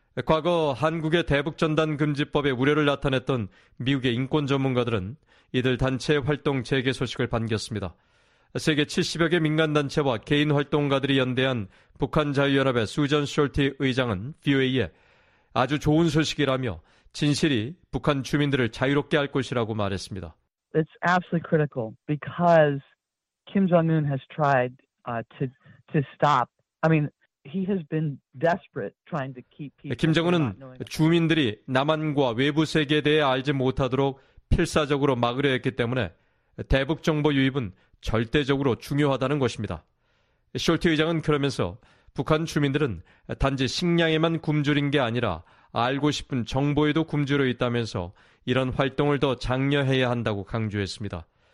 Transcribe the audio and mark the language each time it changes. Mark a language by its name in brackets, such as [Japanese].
[Korean] 과거 한국의 대북전단금지법에 우려를 나타냈던 미국의 인권 전문가들은 이들 단체의 활동 재개 소식을 반겼습니다. 세계 70여 개 민간단체와 개인활동가들이 연대한 북한자유연합의 수전 숄티 의장은 VOA에 아주 좋은 소식이라며 진실이 북한 주민들을 자유롭게 할 것이라고 말했습니다. [English] It's absolutely critical because Kim Jong-un has tried to stop. I mean, he has been desperate trying to keep people. [Korean] 김정은은 주민들이 남한과 외부 세계에 대해 알지 못하도록 필사적으로 막으려 했기 때문에 대북 정보 유입은 절대적으로 중요하다는 것입니다. 숄티 의장은 그러면서 북한 주민들은 단지 식량에만 굶주린 게 아니라 알고 싶은 정보에도 굶주려 있다면서 이런 활동을 더 장려해야 한다고 강조했습니다.